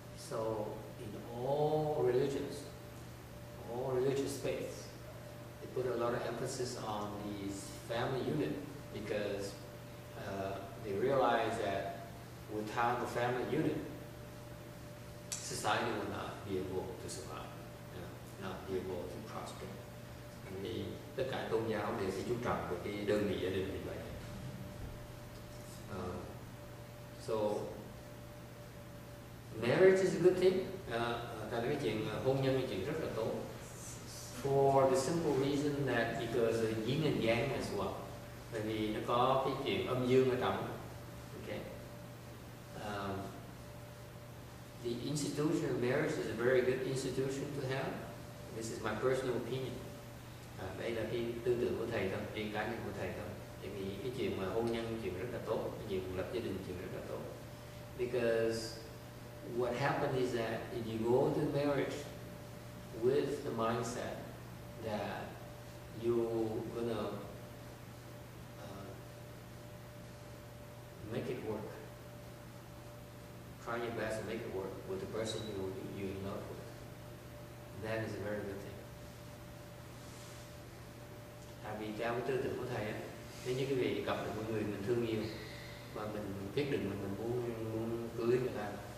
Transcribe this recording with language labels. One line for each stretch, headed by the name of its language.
English: So in all religious faiths, they put a lot of emphasis on these family unit because they realize that without the family unit, society will not be able to survive, you know, not be able to prosper.
Vietnamese: Thì tất cả tôn giáo đều chú trọng về cái đơn vị gia đình như vậy.
English: So marriage is a good thing.
Vietnamese: Tại vì chuyện hôn nhân là chuyện rất là tốt.
English: For the simple reason that because of yin and yang as well.
Vietnamese: Tại vì nó có cái chuyện âm dương ở trong. Okay.
English: The institution of marriage is a very good institution to have. This is my personal opinion.
Vietnamese: Đây là cái tư tưởng của thầy thôi, riêng cá nhân của thầy thôi. Tại vì cái chuyện mà hôn nhân chuyện rất là tốt, cái chuyện lập gia đình chuyện rất là tốt.
English: Because what happened is that if you go into marriage with the mindset that you're gonna make it work, try your best to make it work with the person you're in love with, that is a very good thing.
Vietnamese: Tại vì theo cái tư tưởng của thầy, nếu như quý vị gặp được một người mình thương yêu và mình quyết định mình muốn cưới người ta.